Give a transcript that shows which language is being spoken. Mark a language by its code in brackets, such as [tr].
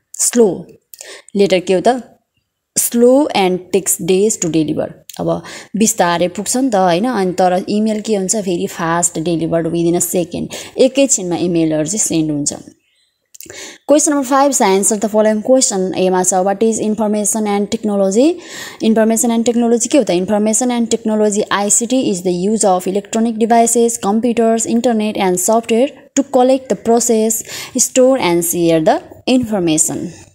[en] slow letter [ne] के हो त, [en] Slow and takes days to deliver. [ne] अब बिस्तारै पुग्छ नि त, होइन. अनि तर इमेल के हुन्छ, फेरि [en] Fast delivered within a second. [ne] एकैछिनमा इमेलहरू चाहिँ सेन्ड हुन्छ. [en] Question number 5, science of the following question. What is information and technology? Information and technology, what is information and technology? ICT is the use of electronic devices, computers, internet and software to collect the process, store and share the information.